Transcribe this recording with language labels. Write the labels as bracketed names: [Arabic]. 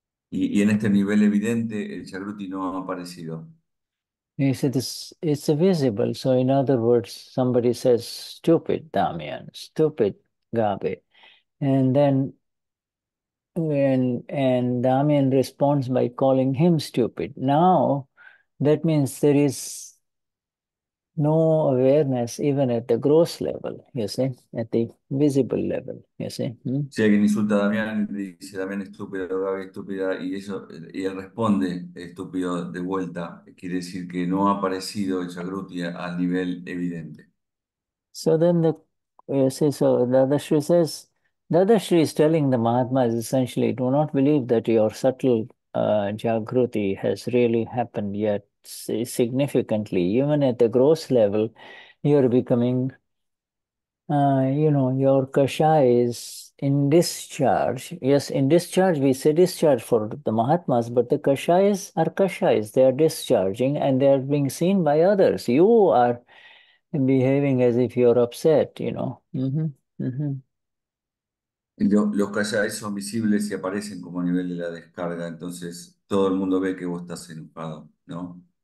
[Spanish] y en este nivel evidente el Jagruti no ha aparecido. [English] You see, this it's visible. So in other words, somebody says stupid Damian, stupid Gabe, and then And Damian responds by calling him stupid. Now, that means there is no awareness even at the gross level, you see, at the visible level, you see. [Spanish] Si alguien insulta a Damián, dice Damián estúpido, Gabi estúpida, y él responde estúpido de vuelta, quiere decir que no ha aparecido el Jagruti al nivel evidente. [English] So then the other she says, Dadashri is telling the Mahatmas essentially, do not believe that your subtle Jagruti has really happened yet significantly. Even at the gross level, you're becoming, you know, your kasha is in discharge. Yes, in discharge, we say discharge for the Mahatmas, but the kashais are kashais. They are discharging and they are being seen by others. You are behaving as if you're upset, you know. [Spanish] Los kashais son visibles y aparecen como a nivel de la descarga, entonces todo el mundo ve que vos estás enojado, ¿no?